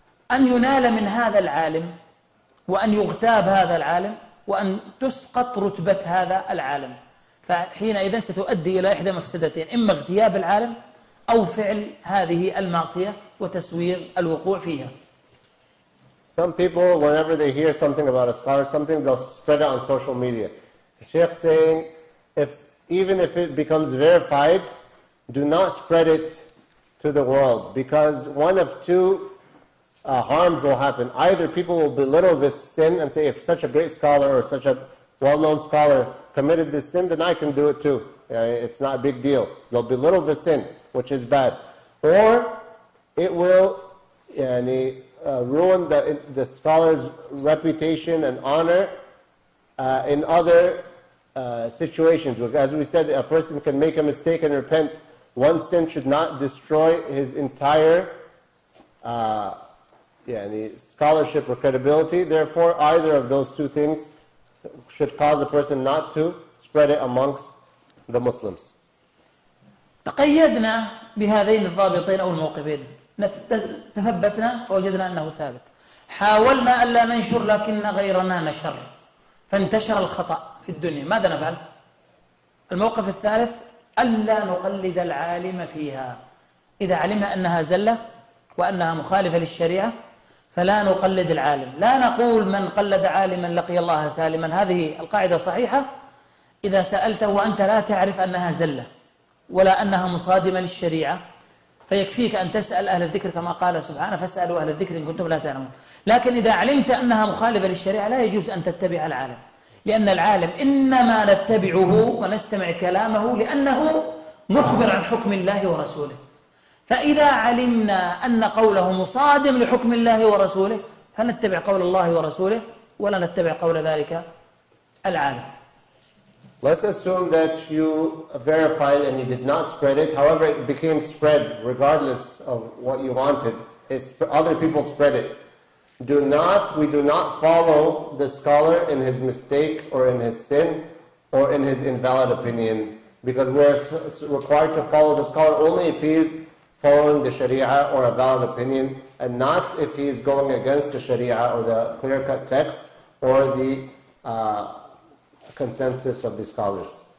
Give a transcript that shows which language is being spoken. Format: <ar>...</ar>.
<ar>أن ينال من هذا العالم وأن يغتاب هذا العالم وأن تسقط رتبة هذا العالم فحينئذ ستؤدي إلى إحدى مفسدتين إما اغتياب العالم أو فعل هذه المعصية وتسوير الوقوع فيها.</ar> <en>Some people whenever they hear something about a scholar something they'll spread it on social media. The Sheikh saying if even if it becomes verified do not spread it to the world because one of two harms will happen. Either people will belittle this sin and say, if such a great scholar or such a well-known scholar committed this sin, then I can do it too. It's not a big deal. They'll belittle the sin, which is bad. Or it will ruin the scholar's reputation and honor in other situations. As we said, a person can make a mistake and repent. One sin should not destroy his entire scholarship or credibility. Therefore, either of those two things should cause a person not to spread it amongst the Muslims.</en> <ar>تقيدنا بهذين الضابطين أو الموقفين. تثبتنا فوجدنا أنه ثابت. حاولنا ألا ننشر لكن غيرنا نشر. فانتشر الخطأ في الدنيا. ماذا نفعل؟ الموقف الثالث ألا نقلد العالم فيها إذا علمنا أنها زلة وأنها مخالفة للشريعة فلا نقلد العالم لا نقول من قلد عالما لقي الله سالما هذه القاعدة صحيحة إذا سألته وأنت لا تعرف أنها زلة ولا أنها مصادمة للشريعة فيكفيك أن تسأل أهل الذكر كما قال سبحانه فاسألوا أهل الذكر إن كنتم لا تعلمون لكن إذا علمت أنها مخالفة للشريعة لا يجوز أن تتبع العالم لأن العالم إنما نتبعه ونستمع كلامه لأنه مخبر عن حكم الله ورسوله فإذا علمنا أن قوله مصادم لحكم الله ورسوله فنتبع قول الله ورسوله ولا نتبع قول ذلك العالم.</ar> <en>Let's assume that you verified and you did not spread it. However, it became spread regardless of what you wanted. Other people spread it. We do not follow the scholar in his mistake or in his sin or in his invalid opinion, because we're required to follow the scholar only if he's following the Sharia or a valid opinion, and not if he's going against the Sharia or the clear-cut text or the consensus of the scholars.</en>